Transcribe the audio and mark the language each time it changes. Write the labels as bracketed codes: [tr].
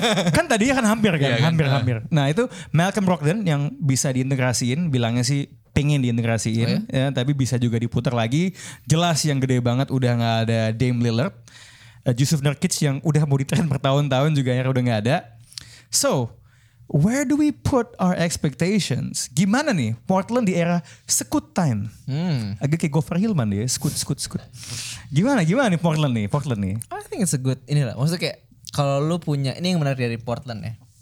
[id] Kan tadinya kan hampir kan, hampir-hampir. Yeah, kan? Nah, itu Malcolm Brogdon yang bisa diintegrasiin, bilangnya sih pengen diintegrasiin, oh, yeah? Ya, tapi bisa juga diputar lagi. Jelas yang gede banget udah enggak ada Dame Lillard. Yusuf Nurkic yang udah mau ditahan bertahun-tahun juga ya udah gak ada. [en] So, where do we put our expectations? [id] Gimana nih Portland di era Scoot time? Agak kayak Gopher Hillman deh, Scoot. Gimana nih Portland nih? [en] I think it's a good, inilah. [id] Maksudnya kayak, kalau lu punya, ini yang menarik dari Portland ya.